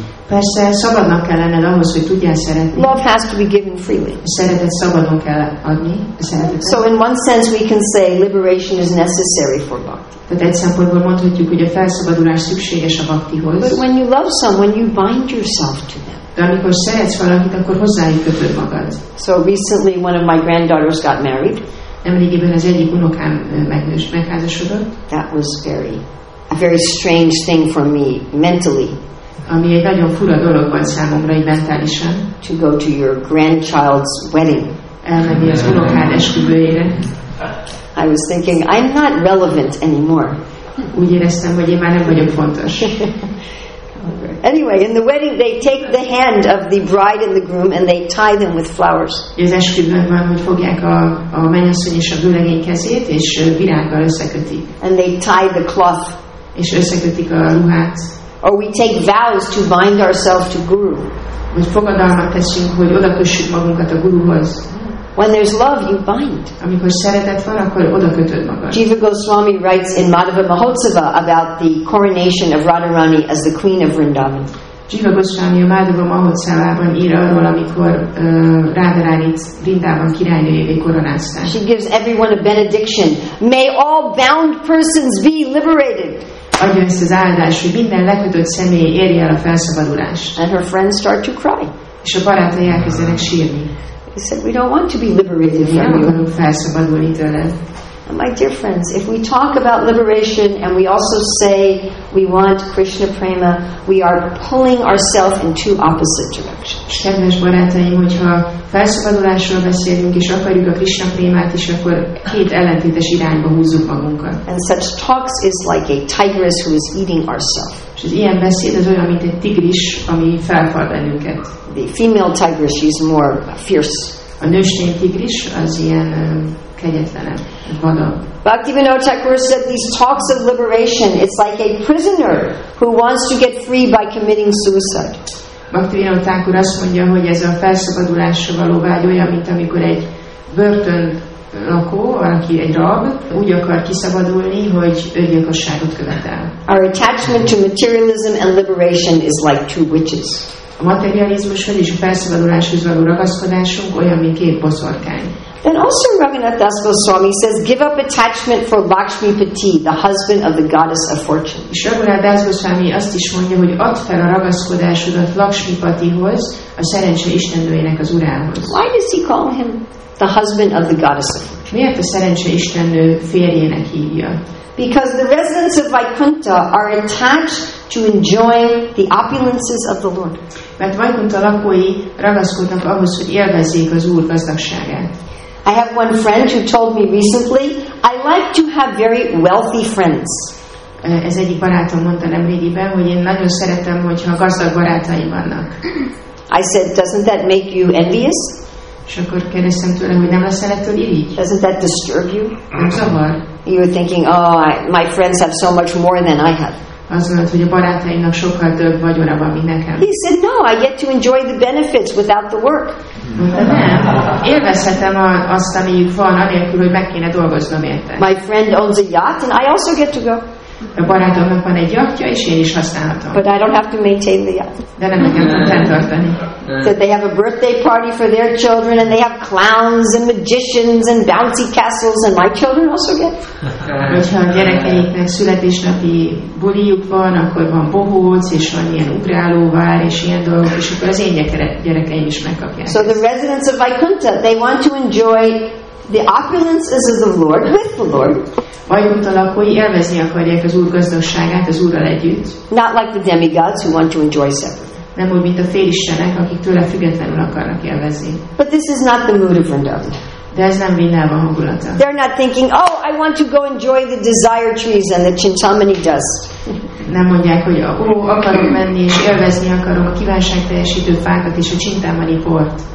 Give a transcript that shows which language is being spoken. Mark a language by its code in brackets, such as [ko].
[hu] Persze, szabadnak kell lenned ahhoz, hogy tudjál szeretni. [en] Love has to be given freely. [hu] Szeretet szabadon kell adni. Szeretet. [en] So in one sense, we can say liberation is necessary for bhakti. [hu] Tehát egy szempontból mondhatjuk, hogy a felszabadulás szükséges a bhaktihoz. [en] But when you love someone, you bind yourself to them. [hu] De amikor szeretsz valakit, akkor hozzájuk kötöd magad. [en] So recently, one of my granddaughters got married. [hu] Nemrégiben az egyik unokám megházasodott. [en] That was very... a very strange thing for me mentally. [hu] Ami egy nagyon fura dolog volt számomra, így mentálisan. [en] To go to your grandchild's wedding. [hu] Elmenni az unokád esküvőjére. [en] I was thinking, I'm not relevant anymore. [hu] Úgy éreztem, hogy én már nem vagyok fontos. [en] Anyway, in the wedding they take the hand of the bride and the groom and they tie them with flowers. [hu] Az esküvőben fogják a mennyasszony és a vőlegény kezét és virággal összekötik. [en] And they tie the cloth. [hu] És összekötik a ruhát. [en] Or we take vows to bind ourselves to guru. [hu] Most fogadalmat teszünk, hogy odakössük magunkat a guruhoz. [en] When there's love, you bind. [hu] Amikor szeretet van, akkor odakötöd magad. [en] Jiva Goswami writes in Madhava Mahotsava about the coronation of Radharani as the queen of Vrindavan. [hu] Jiva Goswami a Madhava Mahotsavában ír arról, amikor Radharani Vrindavan királynőjévé koronázták. [en] She gives everyone a benediction. May all bound persons be liberated. [hu] Adja ezt az áldás, hogy minden lekötött személy érje el a felszabadulást. [en] And her friends start to cry. [hu] És a barátai elkezdenek sírni. [en] He said, we don't want to be liberated from you. And my dear friends, if we talk about liberation and we also say we want Krishna Prema, we are pulling ourselves in two opposite directions. [hu] Kedves barátaim, hogyha felszabadulásról beszélünk és akarjuk a Krishna Prémát is, akkor két ellentétes irányba húzzuk magunkat. [en] And such talks is like a tigress who is eating herself. [hu] És az ilyen beszéd az olyan, mint egy tigris, ami felfal bennünket. [en] The female tiger, she's more fierce. [hu] A nőstény tigris az ilyen kegyetlenebb, vadabb. [en] Bhaktivinoda Thakur said these talks of liberation, it's like a prisoner who wants to get free by committing suicide. [hu] Bhaktivinoda Thakur azt mondja, hogy ez a felszabadulásra való vágy olyan, mint amikor egy börtön lakó, aki egy rab, úgy akar kiszabadulni, hogy öngyilkosságot követel. [en] Our attachment to materialism and liberation is like two witches. [hu] A materializmushoz és a felszabaduláshoz való ragaszkodásunk olyan, mint két boszorkány. [en] Then also Raghunath Das Goswami says, give up attachment for Lakshmipati, the husband of the goddess of fortune. [hu] És Raghunath Das Goswami azt is mondja, hogy add fel a ragaszkodásodat Lakshmipatihoz, a szerencse istennőjének az urához. [en] Why does he call him the husband of the goddess of fortune? [hu] Miért a szerencse istennő férjének hívja? [en] Because the residents of Vaikuntha are attached to enjoying the opulences of the Lord. [hu] Mert Vaikuntha lakói ragaszkodnak ahhoz, hogy élvezzék az Úr gazdagságát. [en] I have one friend who told me recently, I like to have very wealthy friends. [hu] Ez egyik barátom mondta nemrégiben, hogy én nagyon szeretem, hogyha gazdag barátaim vannak. [en] I said, doesn't that make you envious? [hu] És akkor kérdeztem tőle, hogy nem lesz ettől irigy? [en] Doesn't that disturb you? [hu] Nem zavar? [en] You're thinking, oh, my friends have so much more than I have. [hu] Azt, hogy a barátainak sokkal több vagyona van, mint nekem. [en] He said, no, I get to enjoy the benefits without the work. [hu] Nem, élvezhetem azt, amíg van, anélkül, hogy meg kéne dolgoznom érte. [en] My friend owns a yacht, and I also get to go. [hu] A barátomnak van egy yachtja, és én is használhatom. [en] But I don't have to maintain the yacht. [hu] De nem nekem kell fenntartani. [en] So they have a birthday party for their children, and they have clowns and magicians and bouncy castles, and my children also get. [hu] Hogyha a gyerekeiknek születésnapi buliuk van, akkor van bohóc, és van ilyen ugrálóvár, és ilyen dolgok, és akkor az én gyerekeim is megkapják. [en] So the residents of Vaikuntha, they want to enjoy the opulence is of the Lord, with the Lord. [hu] Vaikuntha lakói élvezni akarják az Úr gazdagságát, az Úrral együtt. [en] Not like the demigods who want to enjoy separately. [hu] Nem úgy, mint a félistenek, akik tőle függetlenül akarnak élvezni. [en] But this is not the mood of Vrindavan. [hu] De ez nem Vrindavan hangulata. [en] They're not thinking, oh, I want to go enjoy the desire trees and the Chintamani dust. [hu] Nem mondják, hogy oh, akarok menni és élvezni akarom a kívánság teljesítő fákat és a Chintamani port.